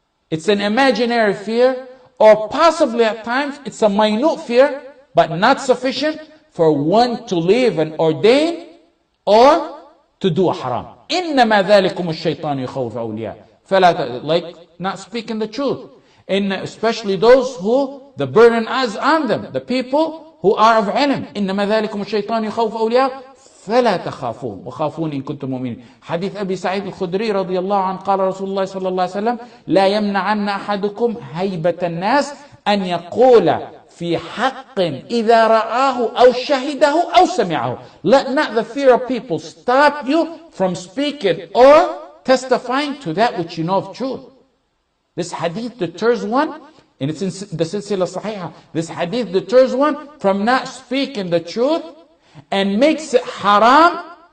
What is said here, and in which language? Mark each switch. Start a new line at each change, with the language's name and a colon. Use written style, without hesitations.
English: It's an imaginary fear, or possibly at times, it's a minute fear, but not sufficient for one to leave and ordain or to do a haram.
Arabic: إِنَّمَا ذَلِكُمُ الشَّيْطَانُ يُخَوْفَ أَوْلِيَاءَ
English: Like not speaking the truth. And especially those who the burden is on them, the people who are of ilm.
Arabic: إِنَّمَا ذَلِكُمُ الشَّيْطَانُ يُخَوْفَ أَوْلِيَاءَ فَلَا تَخَافُونَ وَخَافُونَ إِن كُنْتُمْ مُؤْمِنِينَ حديث أبي سعيد الخدري رضي الله عنه قال رسول الله صلى الله عليه وسلم لا يمنعن أحدكم هيبة الناس أن يقول في حق إذا رآه أو شهده أو سمعه.
English: Let not the fear of people stop you from speaking or testifying to that which you know of truth. This hadith deters one, and it's in the Silsila Sahiha. This hadith deters one from not speaking the truth and makes it haram.